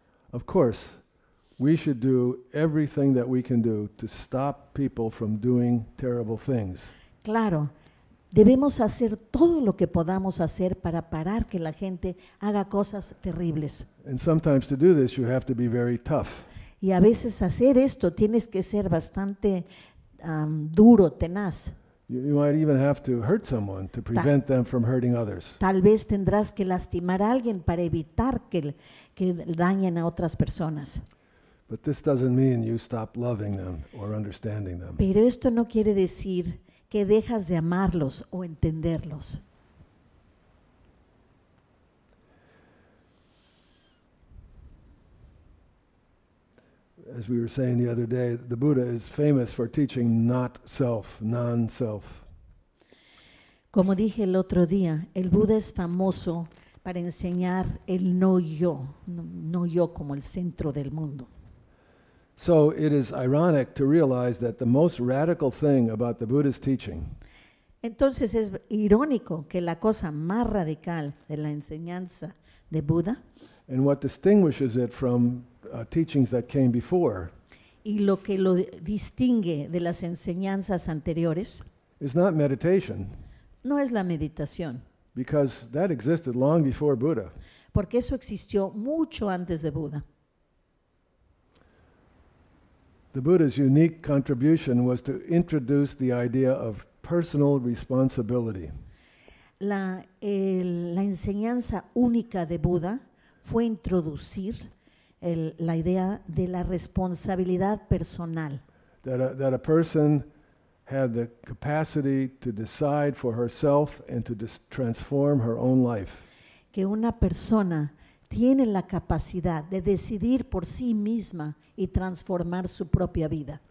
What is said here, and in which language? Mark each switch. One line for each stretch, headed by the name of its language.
English: Of course, we should do everything that we can do to stop people from doing terrible things.
Spanish: Claro, debemos hacer todo lo que podamos hacer para parar que la gente haga cosas terribles.
English: And sometimes to do this you have to be very tough.
Spanish: Y a veces hacer esto tienes que ser bastante duro, tenaz.
English: You might even have to hurt someone to prevent them from hurting others.
Spanish: Tal vez tendrás que lastimar a alguien para evitar que dañen a otras personas.
English: But this doesn't mean you stop loving them or understanding them.
Spanish: Pero esto no quiere decir que dejas de amarlos o entenderlos.
English: As we were saying the other day, the Buddha is famous for teaching not self, non-self.
Spanish: Como dije el otro día, el Buda es famoso para enseñar el no yo, no yo como el centro del mundo.
English: So it is ironic to realize that the most radical thing about the Buddha's teaching.
Spanish: Entonces es irónico que la cosa más radical de la enseñanza de Buda.
English: And what distinguishes it from teachings that came before.
Spanish: Y lo que lo distingue de las enseñanzas anteriores.
English: Is not meditation.
Spanish: No es la meditación.
English: Because that existed long before Buddha.
Spanish: Porque eso existió mucho antes de Buda.
English: The Buddha's unique contribution was to introduce the idea of personal responsibility.
Spanish: La enseñanza única de Buda fue introducir la idea de la responsabilidad personal.
English: That a person had the capacity to decide for herself and to transform her own life.
Spanish: Que una persona tiene la capacidad de decidir por sí misma y transformar su propia vida.